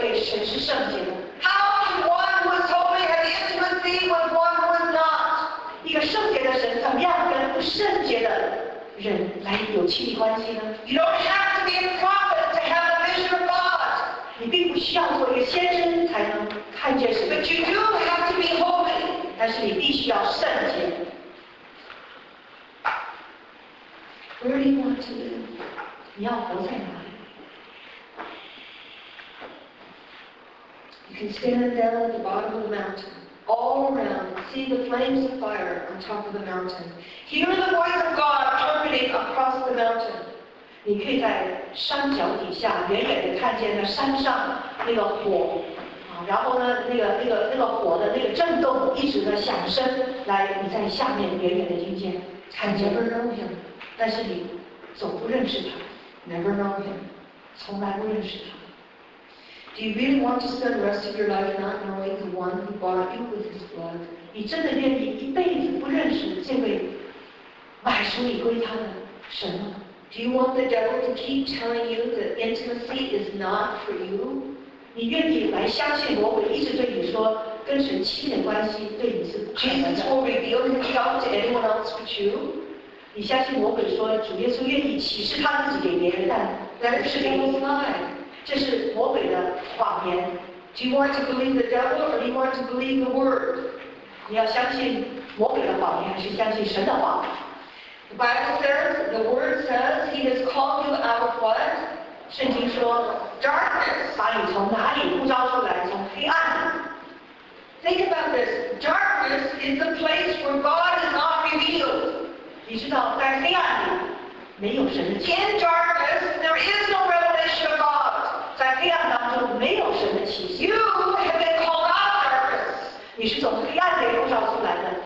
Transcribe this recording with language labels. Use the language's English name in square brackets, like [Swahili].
[English] How can one who is holy have intimacy with one who is not? [Chinese] 一个圣洁的神怎么样跟不圣洁的人来有亲密关系呢 [English] ？You don't have to be a prophet to have a vision of God. [Chinese] 你并不需要做一个先生才能看见神。 [English] But you do have to be holy. [Chinese] 但是你必须要圣洁。 [English] Where do you want to live? [Chinese] 你要活在哪里？ [English] You can stand down at the bottom of the mountain, all around, see the flames of fire on top of the mountain, hear the voice of God trumpeting across the mountain. [Chinese] 你可以在山脚底下远远地看见那山上那个火，啊，然后呢，那个火的那个震动一直的响声，来你在下面远远地听见。 [English] Never know him, [Chinese] 但是你总不认识他。 [English] Never know him, [Chinese] 从来不认识他。 [English] Do you really want to spend the rest of your life not knowing the one who bought you with his blood? [Chinese] 你真的愿意一辈子不认识这位买赎你归他的神吗？ [English] Do you want the devil to keep telling you that intimacy is not for you? [Chinese] 你愿意来相信魔鬼一直对你说跟神亲密的关系对你是 [English] Jesus will reveal himself to anyone else but you? [Chinese] 你相信魔鬼说主耶稣愿意启示他自己给别人但不是给你爱这是魔鬼的谎言。 [English] Do you want to believe the devil or do you want to believe the word? [Chinese] 你要相信魔鬼的谎言还是相信神的话 [English] ？The Bible says, the word says, he has called you out of what? [Chinese] 圣经说 [English] ，darkness， [Chinese] 把你从哪里呼召出来？从黑暗。 [English] Think about this. Darkness is the place where God is not revealed. [Chinese] 你知道，在黑暗里没有神。 [English] In darkness, there is no revelation of God. [Chinese] 在黑暗当中没有神的启示。 [English] You have been called out of darkness. [Chinese] 你是从黑暗里呼召出来的。